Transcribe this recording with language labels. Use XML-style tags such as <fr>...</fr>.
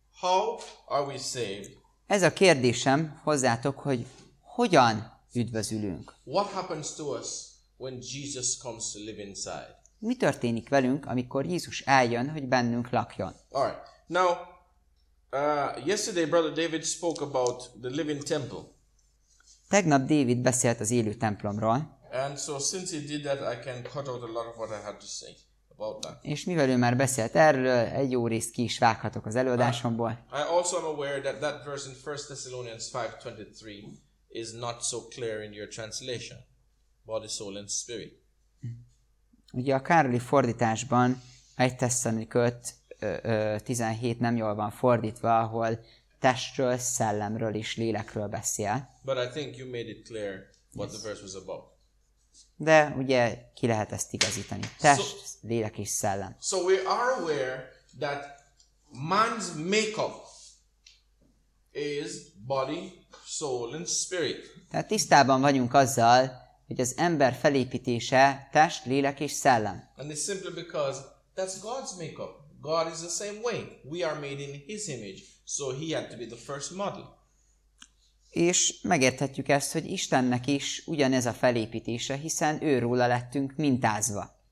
<en>How are we saved?</en> <hu>Ez a kérdésem hozzátok, hogy hogyan üdvözülünk?</hu> <en>What happens to us when Jesus comes to live inside?</en> <hu>Mi történik velünk, amikor Jézus eljön, hogy bennünk lakjon?</hu> <en>All right. Now, yesterday Brother David spoke about the living temple.</en> <hu>Tegnap David beszélt az élő templomról.</hu> <en>And so since he did that, I can cut out a lot of what I had to say about that.</en> <hu>És mivel ő már beszélt erről, egy jó részt ki is vághatok az előadásomból.</hu> <en>I also am aware that that verse in 1 Thessalonians 5:23 is not so clear in your translation. Body, soul and spirit.</en> <hu>Ugye a Károli fordításban 1 Thessalonikus 5:17 nem jól van fordítva, ahol testről, szellemről és lélekről beszél.</hu> <en>But I think you made it clear what the verse was about.</en> <hu>De ugye ki lehet ezt igazítani? Test, lélek és szellem.</hu> <en>So we are aware that man's makeup is body, soul and spirit.</en> <hu>Tehát tisztában vagyunk azzal, hogy az ember felépítése test, lélek és szellem.</hu> <en>And it's simply because that's God's makeup. God is the same way. We are made in His image, so He had to be the first model.</en> <hu>És megérthetjük ezt, hogy Istennek is ugyanez a felépítése, hiszen őróla lettünk mintázva.</hu>